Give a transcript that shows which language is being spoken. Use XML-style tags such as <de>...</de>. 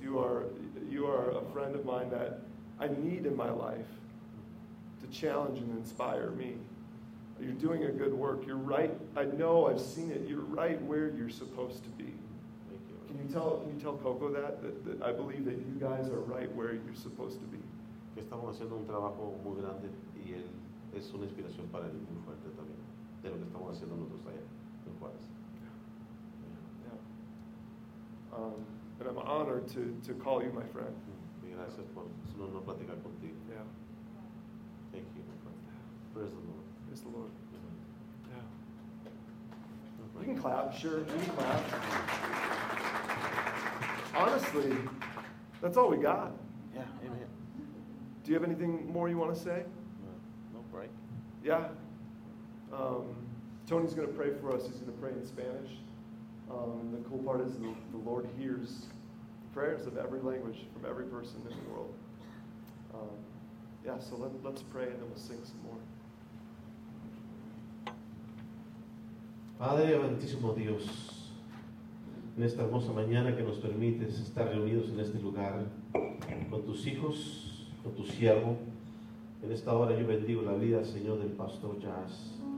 <en>You are a friend of mine that I need in my life to challenge and inspire me. You're doing a good work. You're right. I know, I've seen it. You're right where you're supposed to be. Can you tell Coco that I believe that you guys are right where you're supposed to be.</en> <es>Que estamos haciendo un trabajo muy grande y él es una inspiración para él muy fuerte también de lo que estamos haciendo nosotros allá en Juárez.</es> <en>Yeah. And I'm honored to call you my friend.</en> <es>Y gracias por su honor platicar contigo.</es> <en>Yeah. Thank you, my friend. Praise the Lord. Praise the Lord. You can clap, sure. You can clap. Honestly, that's all we got. Yeah, amen. Do you have anything more you want to say? No break. Yeah. Tony's going to pray for us. He's going to pray in Spanish. The cool part is the Lord hears prayers of every language from every person in the world. Yeah, so let's pray and then we'll sing some more.</en> <es>Padre amantísimo Dios, en esta hermosa mañana que nos permites estar reunidos en este lugar con tus hijos, con tu siervo, en esta hora yo bendigo la vida, Señor, del pastor Jazz.</es>